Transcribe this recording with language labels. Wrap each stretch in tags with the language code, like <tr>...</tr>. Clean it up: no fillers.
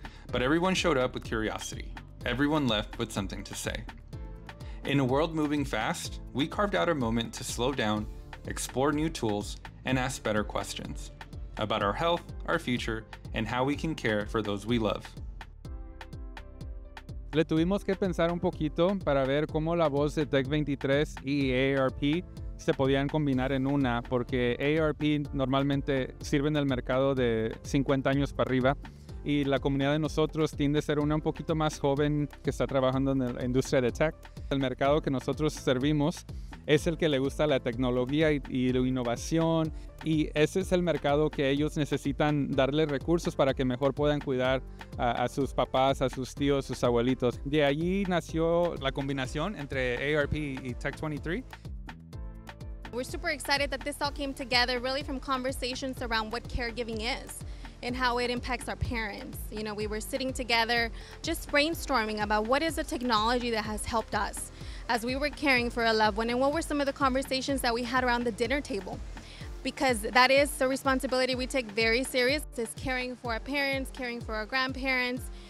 <en>But everyone showed up with curiosity. Everyone left with something to say. In a world moving fast, we carved out a moment to slow down, explore new tools, and ask better questions about our health, our future, and how we can care for those we love.</en> <es>Le tuvimos que pensar un poquito para ver cómo la voz de Tech23 y AARP se podían combinar en una, porque AARP normalmente sirve en el mercado de 50 años para arriba y la comunidad de nosotros tiende a ser una un poquito más joven que está trabajando en la industria de tech. El mercado que nosotros servimos es el que le gusta la tecnología y la innovación, y ese es el mercado que ellos necesitan darle recursos para que mejor puedan cuidar a sus papás, a sus tíos, sus abuelitos. De allí nació la combinación entre AARP y Tech23.</es> <en>We're super excited that this all came together really from conversations around what caregiving is and how it impacts our parents. You know, we were sitting together just brainstorming about what is the technology that has helped us as we were caring for a loved one, and what were some of the conversations that we had around the dinner table, because that is the responsibility we take very serious, is caring for our parents, caring for our grandparents.</en>